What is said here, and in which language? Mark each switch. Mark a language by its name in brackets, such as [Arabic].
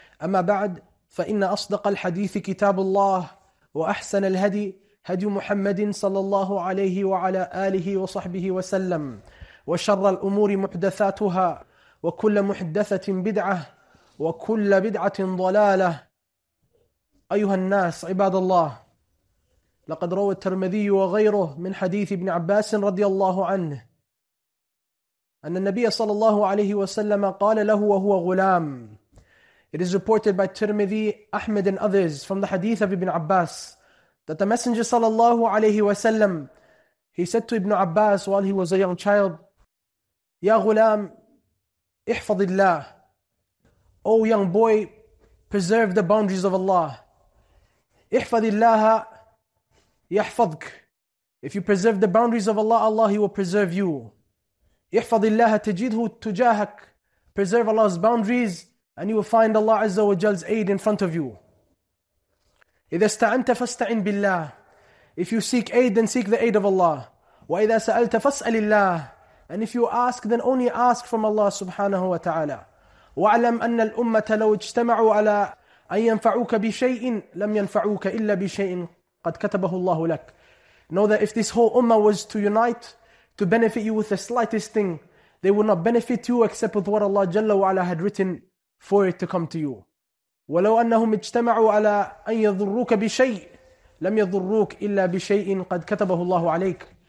[Arabic] أما بعد فإن أصدق الحديث كتاب الله وأحسن الهدي هدي محمد صلى الله عليه وعلى آله وصحبه وسلم وشر الأمور محدثاتها وكل محدثة بدعة وكل بدعة ضلالة أيها الناس عباد الله لقد روى الترمذي وغيره من حديث ابن عباس رضي الله عنه أن النبي صلى الله عليه وسلم قال له وهو غلام. [English] It is reported by Tirmidhi, Ahmed and others from the hadith of Ibn Abbas that the Messenger [Arabic] صلى الله عليه وسلم [English] he said to Ibn Abbas while he was a young child, [Arabic] يا غلام احفظ الله. [English] O young boy, preserve the boundaries of Allah. [Arabic] احفظ الله يحفظك. [English] If you preserve the boundaries of Allah, Allah he will preserve you. [Arabic] احفظ الله تجده تجاهك. [English] Preserve Allah's boundaries and you will find Allah Azza wa Jal's aid in front of you. [Arabic] إذا استعنت فاستعن بالله. [English] If you seek aid, then seek the aid of Allah. [Arabic] وإذا سألت فاسأل الله. [English] And if you ask, then only ask from Allah subhanahu wa ta'ala. [Arabic] وعلم أن الأمة لو اجتمعوا على أن ينفعوك بشيء لم ينفعوك إلا بشيء قد كتبه الله لك. [English] Know that if this whole ummah was to unite to benefit you with the slightest thing, they will not benefit you except with what Allah Jalla wa Ala had written for it to come to you. [Arabic] وَلَوْ أَنَّهُمْ اجْتَمَعُوا عَلَىٰ أَنْ يَضُرُّوكَ بِشَيْءٍ لَمْ يَضُرُّوكَ إِلَّا بِشَيْءٍ قَدْ كَتَبَهُ اللَّهُ عَلَيْكَ.